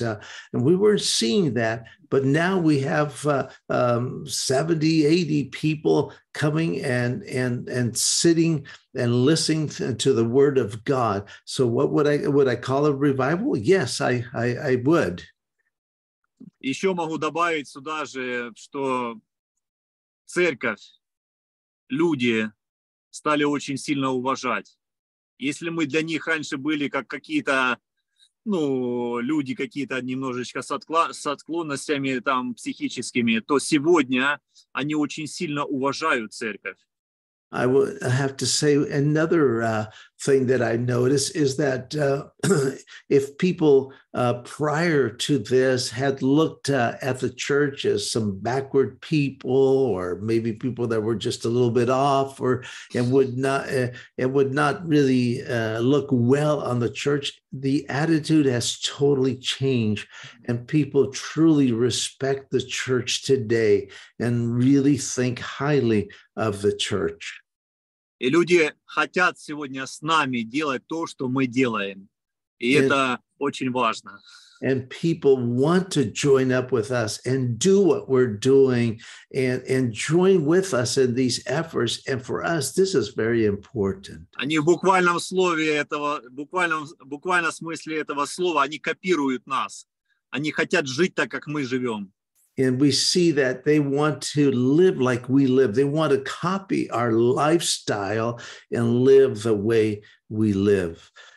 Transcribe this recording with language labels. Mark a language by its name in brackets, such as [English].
[English] And we weren't seeing that, but now we have 70, 80 people coming and sitting and listening to the word of God. So what would I call a revival? Yes, I would. [Russian] Еще могу добавить сюда же, что церковь, люди стали очень сильно уважать. Если мы для них раньше были как какие-то, ну, люди какие-то немножечко с отклонностями там психическими, то сегодня они очень сильно уважают церковь. [English] I would have to say another thing that I noticed is that if people prior to this had looked at the church as some backward people or maybe people that were just a little bit off or it would not really look well on the church, the attitude has totally changed and people truly respect the church today and really think highly of the church. [Russian] И люди хотят сегодня с нами делать то, что мы делаем. И это очень важно. [English] And people want to join up with us and do what we're doing and join with us in these efforts. And for us, this is very important. [Russian] Они в буквальном слове этого, буквально смысле этого слова, они копируют нас. Они хотят жить так, как мы живем. [English] And we see that they want to live like we live. They want to copy our lifestyle and live the way we live.